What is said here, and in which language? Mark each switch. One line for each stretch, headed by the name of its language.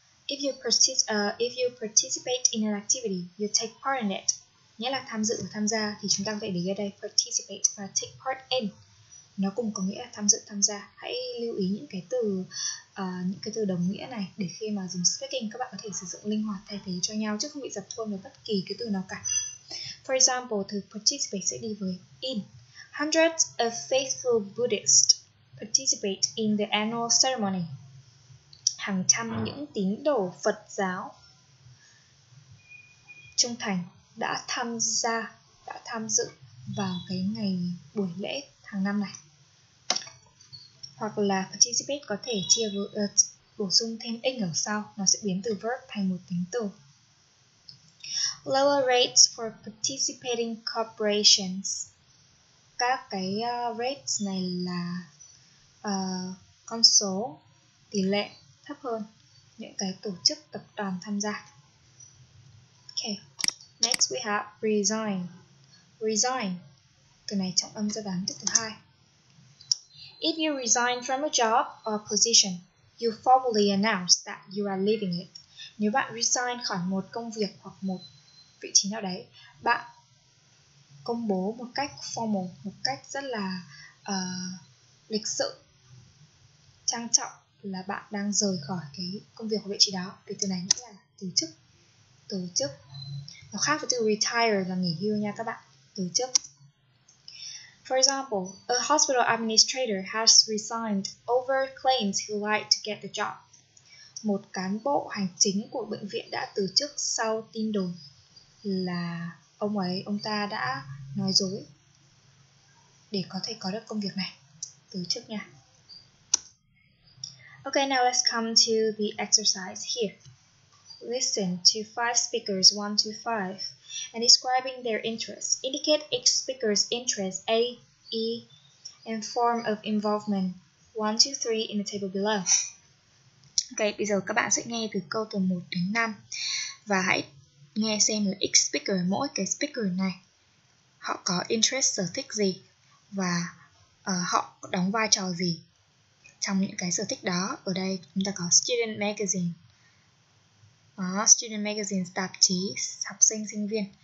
English: If you participate in an activity, you take part in it.
Vietnamese: Nghĩa là tham dự và tham gia, thì chúng ta phải để ở đây participate và take part in. Nó cũng có nghĩa là tham dự, tham gia. Hãy lưu ý những cái từ đồng nghĩa này để khi mà dùng speaking các bạn có thể sử dụng linh hoạt thay thế cho nhau chứ không bị dập khuôn với bất kỳ cái từ nào cả.
English: For example,
Vietnamese: từ participate sẽ đi với in.
English: Hundreds of faithful Buddhists participate in the annual ceremony.
Vietnamese: Hàng trăm những tín đồ Phật giáo trung thành đã tham dự vào cái ngày buổi lễ hàng năm này. Hoặc là participate có thể chia bổ sung thêm ing ở sau, nó sẽ biến từ verb thành một tính từ.
English: Lower rates for participating corporations.
Vietnamese: Các cái rates này là con số, tỷ lệ thấp hơn những cái tổ chức tập đoàn tham gia.
English: Okay, next we have resign.
Vietnamese: Resign, từ này trọng âm ra đoán tiếp thứ hai.
English: If you resign from a job or position, you formally announce that you are leaving it.
Vietnamese: Nếu bạn resign khỏi một công việc hoặc một vị trí nào đấy, bạn công bố một cách formal, một cách rất là lịch sự, trang trọng là bạn đang rời khỏi cái công việc hoặc vị trí đó. Vì từ này nghĩa là từ chức. Từ chức. Nó khác với từ retire là nghỉ hưu nha các bạn. Từ chức.
English: For example, a hospital administrator has resigned over claims he lied to get the job.
Vietnamese: Một cán bộ hành chính của bệnh viện đã từ chức sau tin đồn là ông ta đã nói dối để có thể có được công việc này. Từ chức nha.
English: Okay, now let's come to the exercise here. Listen to five speakers, 1 to 5, and describing their interests. Indicate each speaker's interest, A, E, and form of involvement, 1, 2, 3, in the table below.
Vietnamese: Okay, bây giờ các bạn sẽ nghe từ câu từ 1 đến 5, và hãy nghe xem là
English: each speaker,
Vietnamese: mỗi cái speaker này, họ có interest, sở thích gì, và họ đóng vai trò gì trong những cái sở thích đó. Ở đây chúng ta có student magazine. Student magazines, tạp chí, học sinh, sinh viên.